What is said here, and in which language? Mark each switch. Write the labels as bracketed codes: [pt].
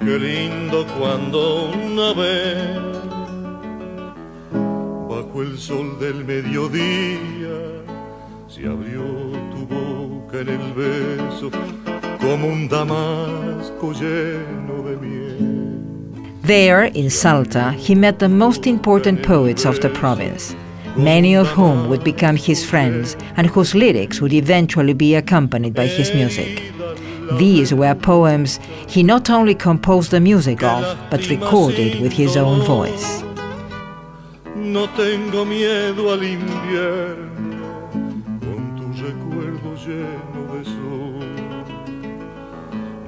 [es] Qué lindo cuando una vez bajo el sol del mediodía se abrió tu boca en el beso como un damasco lleno de miel. [en] There in Salta he met the most important poets of the province, many of whom would become his friends and whose lyrics would eventually be accompanied by his music. These were poems he not only composed the music of, but recorded with his own voice. [es] No tengo miedo al invierno, con tu recuerdo lleno de sol.